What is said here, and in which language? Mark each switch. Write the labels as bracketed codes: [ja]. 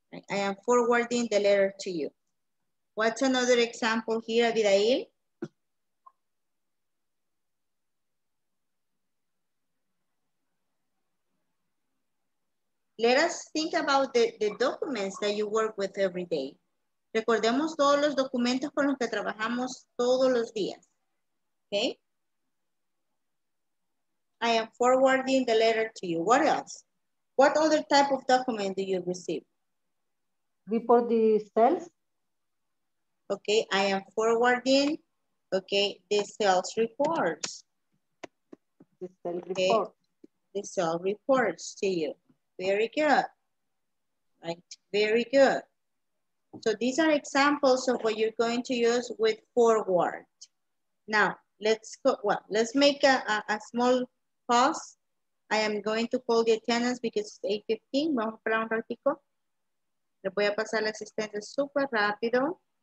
[en] I am forwarding the letter to you. What's another example here, Abigail? Let us think about the documents that you work with every day. [es] Recordemos todos los documentos con los que trabajamos todos los días. [en] Okay. I am forwarding the letter to you. What else? What other type of document do you receive? Report the sales. Okay, I am forwarding, okay, the sales reports. The sales reports to you. Very good. Right, very good. So these are examples of what you're going to use with forward. Now, let's go, well, let's make a small pause. I am going to call the attendance because it's 8:15. [es] Vamos a esperar un ratico. Le voy a pasar la asistencia súper rápido.